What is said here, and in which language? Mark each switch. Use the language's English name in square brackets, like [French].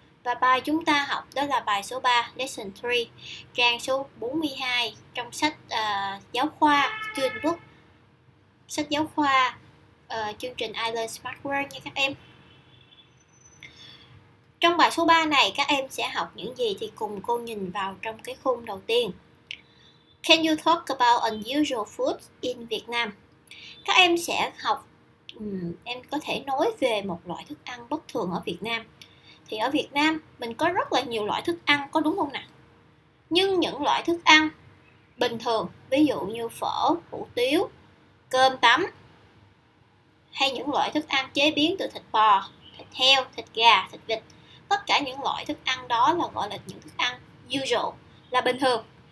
[Vietnamese] Và bài chúng ta học đó là bài số 3, Lesson 3, trang số 42 trong sách giáo khoa, Student Book, sách giáo khoa, chương trình Island Smart World nha các em. Trong bài số 3 này, các em sẽ học những gì thì cùng cô nhìn vào trong cái khung đầu tiên. [English] Can you talk about unusual foods in Vietnam? [Vietnamese] Các em sẽ học, em có thể nói về một loại thức ăn bất thường ở Việt Nam. Thì ở Việt Nam mình có rất là nhiều loại thức ăn, có đúng không nào? Nhưng những loại thức ăn bình thường, ví dụ như phở, hủ tiếu, cơm tấm, hay những loại thức ăn chế biến từ thịt bò, thịt heo, thịt gà, thịt vịt, tất cả những loại thức ăn đó là gọi là những thức ăn usual, là bình thường.